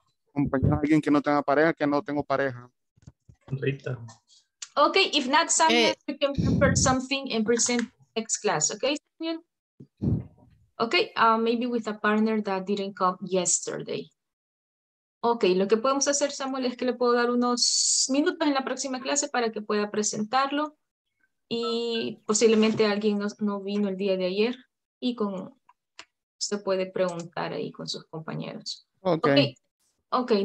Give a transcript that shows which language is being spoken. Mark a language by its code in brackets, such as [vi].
[es] ¿Compañero, alguien que no tenga pareja? Que no tengo pareja. Rita. [en] Okay, if not, Samuel, you can prepare something and present next class. Okay, Samuel? Okay, maybe with a partner that didn't come yesterday. [es] Okay, lo que podemos hacer, Samuel, es que le puedo dar unos minutos en la próxima clase para que pueda presentarlo. Y posiblemente alguien no vino el día de ayer y con se puede preguntar ahí con sus compañeros. Okay,